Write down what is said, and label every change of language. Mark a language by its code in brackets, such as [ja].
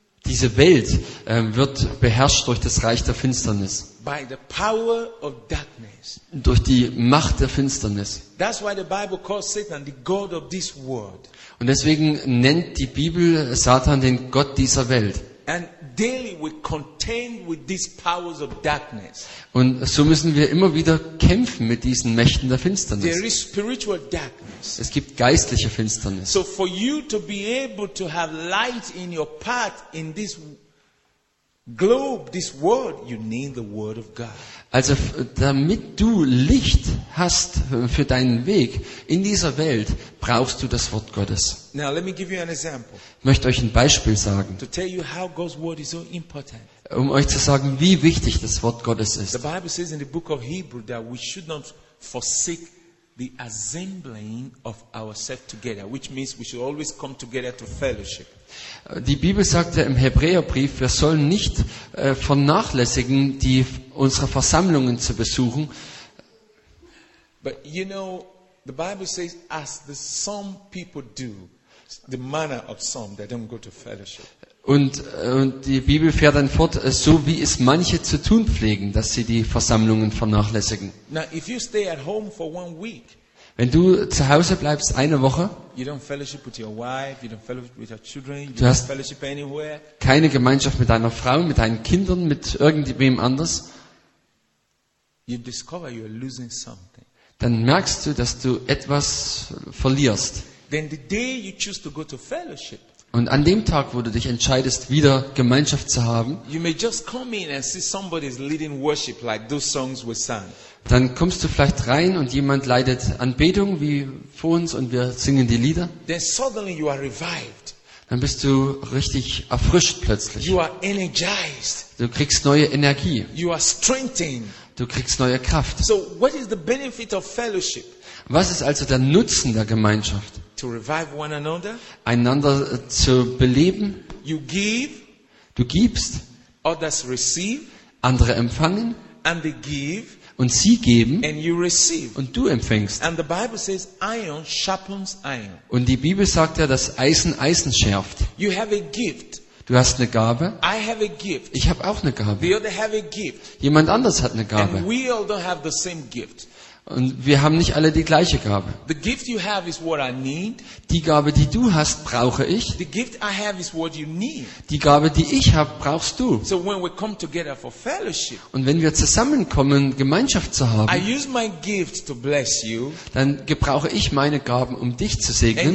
[de] Diese Welt wird beherrscht durch das Reich der Finsternis. [en] By the power of darkness. [de] Durch die Macht der Finsternis. [en] That's why the Bible calls Satan the god of this world. [de] Und deswegen nennt die Bibel Satan den Gott dieser Welt. Und so müssen wir immer wieder kämpfen mit diesen Mächten der Finsternis. Es gibt geistliche Finsternis. [en] So for you to be able to have light in your path in this globe, this world, you need the word of God. [de] Also, damit du Licht hast für deinen Weg in dieser Welt, brauchst du das Wort Gottes. [en] Now, let me give you an example. [de] Ich möchte euch ein Beispiel sagen, [en] to tell you how God's word is so important. [de] Um euch zu sagen, wie wichtig das Wort Gottes ist. [en] The Bible says in the book of Hebrews that we should not forsake the assembling of ourselves together, which means we should always come together to fellowship. [de] Die Bibel sagt ja im Hebräerbrief, wir sollen nicht vernachlässigen, die unsere Versammlungen zu besuchen. [en] But you know, the Bible says, as the some people do, the manner of some, they don't go to fellowship. [de] Und die Bibel fährt dann fort, so wie es manche zu tun pflegen, dass sie die Versammlungen vernachlässigen. [en] Now, if you stay at home for one week, [de] wenn du zu Hause bleibst eine Woche, [en] you don't fellowship with your wife, you don't fellowship with your children, [de] du hast [en] fellowship anywhere, [de] keine Gemeinschaft mit deiner Frau, mit deinen Kindern, mit irgendwem anders, [en] you discover you are losing something. [de] Dann merkst du, dass du etwas verlierst. [en] Then the day you choose to go to fellowship, [de] und an dem Tag, wo du dich entscheidest, wieder Gemeinschaft zu haben, dann kommst du vielleicht rein und jemand leitet Anbetung wie vor uns und wir singen die Lieder. [en] Then suddenly you are revived. [de] Dann bist du richtig erfrischt plötzlich. [en] You are energized. [de] Du kriegst neue Energie. [en] You are strengthened. [de] Du kriegst neue Kraft. [en] So what is the benefit of fellowship? [de] Was ist also der Nutzen der Gemeinschaft? [en] To revive one another, [de] einander zu beleben. [en] You give, [de] du gibst. [en] Others receive, [de] andere empfangen. [en] And they give, [de] und sie geben. [en] And you receive, [de] und du empfängst. [en] And the Bible says, iron sharpens iron. [de] Und die Bibel sagt ja, dass Eisen Eisen schärft. [en] You have a gift. [de] Du hast eine Gabe. [en] I have a gift. [de] Ich habe auch eine Gabe. [en] The other have a gift. [de] Jemand anders hat eine Gabe. [en] And we all don't have the same gift. [de] Und wir haben nicht alle die gleiche Gabe. [en] The gift you have is what I need. [de] Die Gabe, die du hast, brauche ich. [en] The gift I have is what you need. [de] Die Gabe, die ich habe, brauchst du. [en] So when we come together for fellowship, [de] und wenn wir zusammenkommen, Gemeinschaft zu haben, [en] I use my gift to bless you, [de] dann gebrauche ich meine Gaben, um dich zu segnen.